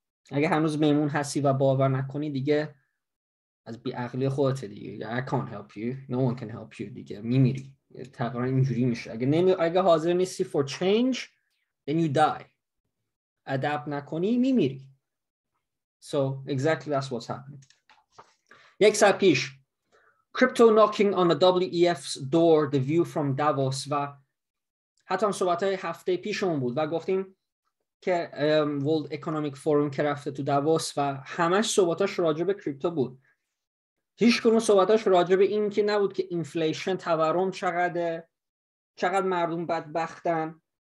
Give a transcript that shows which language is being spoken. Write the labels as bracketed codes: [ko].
[fa] اگه هنوز میمون هستی و باور نکنی دیگه از بی‌عقلی خودت دیگه، [en] I can't help you, [fa] no one can help you دیگه، میمیری. تقریبا اینجوری میشه، اگه حاضر نیستی [en] for change then you die، [fa] adapt نکنی میمیری. [en] So exactly that's what's happening. [fa] یک ساعت پیش [en] crypto knocking on the WEF's door, the view from Davos. [fa] و حتی هم صحبت های هفته پیشمون بود و گفتیم که World Economic Forum که رفته تو Davos و همش صحبتاش راجب کریپتو بود، هیچ کنون صحبتاش راجب این که نبود که اینفلیشن، تورم چقدره، چقدر مردم بدبختن.